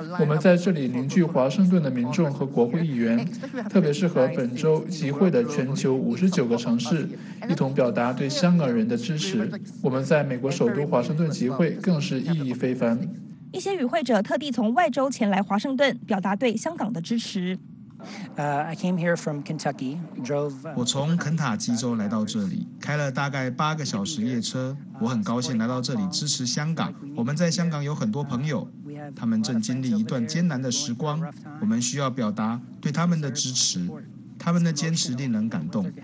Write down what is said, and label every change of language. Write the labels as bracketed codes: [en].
[zh] 我们在这里凝聚华盛顿的民众和国会议员，特别是和本周集会的全球59个城市一同表达对香港人的支持。我们在美国首都华盛顿集会更是意义非凡。一些与会者特地从外州前来华盛顿表达对香港的支持。 [en] I came here from Kentucky. Drove. [zh] 我从肯塔基州来到这里，开了大概8个小时夜车。我很高兴来到这里支持香港。我们在香港有很多朋友，他们正经历一段艰难的时光。我们需要表达对他们的支持，他们的坚持令人感动。